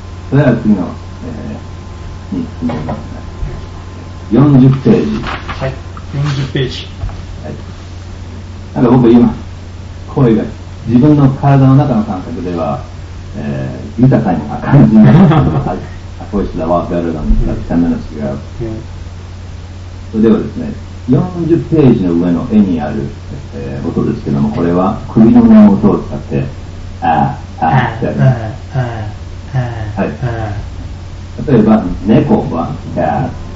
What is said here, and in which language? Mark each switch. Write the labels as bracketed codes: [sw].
[ja] それでは次の、に進みますね。 40ページ、はい、40ページ、はい、なんか僕今声が自分の体の中の感覚では、豊かに感じます。はい、 [en] Voice is a lot better than like 10 minutes ago. [ja] それではですね、40ページの上の絵にある、音ですけども、これは首の音を使って、ああ、ああ、ってやります。はい。例えば、猫は、 [en] cat。